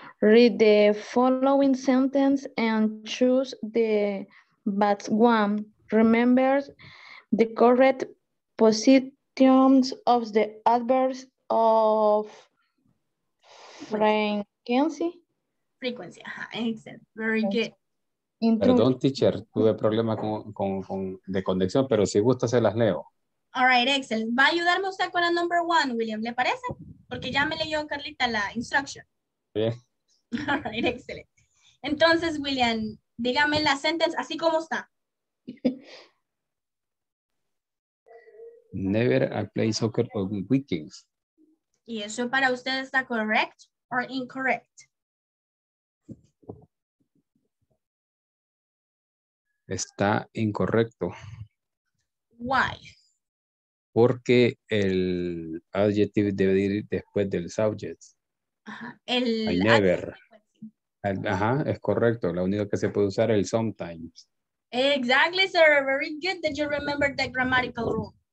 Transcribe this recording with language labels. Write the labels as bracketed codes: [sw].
[en] Read the following sentence and choose the but one. Remember the correct positions of the adverbs of frequency. Frequency, excellent, very good. [es] Perdón, teacher, tuve problemas de conexión, pero si gusta se las leo. [en] All right, excellent. [es] ¿Va a ayudarme usted con la number one, William? ¿Le parece? Porque ya me leyó Carlita la instruction. Bien. [en] All right, excellent. [es] Entonces, William, dígame la sentence así como está. [en] Never I play soccer on weekends. [es] ¿Y eso para usted está [en] correct or incorrect? [es] Está incorrecto. [en] Why? [es] Porque el adjective debe ir después del subject. Ajá. [en] I never. [es] Ajá, es correcto. La única que se puede usar es el sometimes. [en] Exactly, sir. Very good that you remember the grammatical rule.